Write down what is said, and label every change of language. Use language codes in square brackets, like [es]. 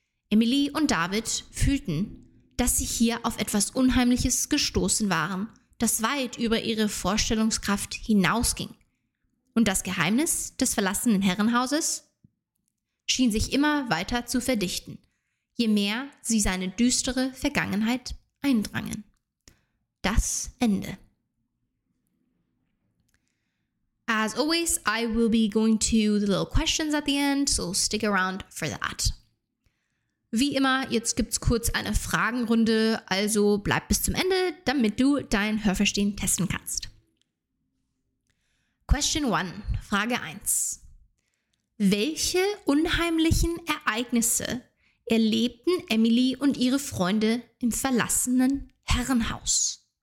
[de] Emily und David fühlten, dass sie hier auf etwas Unheimliches gestoßen waren, das weit über ihre Vorstellungskraft hinausging. Und das Geheimnis des verlassenen Herrenhauses schien sich immer weiter zu verdichten, je mehr sie seine düstere Vergangenheit eindrangen. Das Ende. [en] As always, I will be going to the little questions at the end, so stick around for that. [de] Wie immer, jetzt gibt's kurz eine Fragenrunde, also bleib bis zum Ende, damit du dein Hörverstehen testen kannst. [en] Question 1, [de] Frage 1. Welche unheimlichen Ereignisse erlebten Emily und ihre Freunde im verlassenen Herrenhaus?